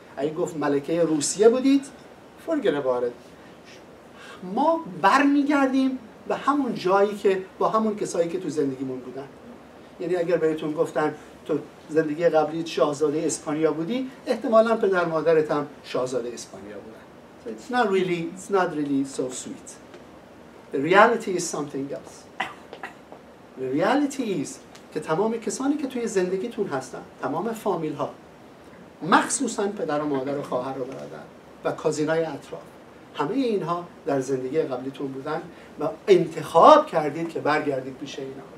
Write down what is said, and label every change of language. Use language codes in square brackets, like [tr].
[fa] اگه گفت ملکه روسیه بودید، فرگره بارد. ما بر میگردیم به همون جایی که با همون کسایی که تو زندگیمون بودن. یعنی اگر بهتون گفتن تو زندگی قبلی شاهزاده اسپانیا بودی، احتمالاً پدر مادرت هم شاهزاده اسپانیا بودن. [en] It's not really so sweet. The reality is something else. The reality is [fa] که تمام کسانی که توی زندگیتون هستن، تمام فامیل ها، مخصوصاً پدر و مادر و خواهر و برادر و کازینای اطراف، همه اینها در زندگی قبلیتون بودن و انتخاب کردید که برگردید پیش اینا.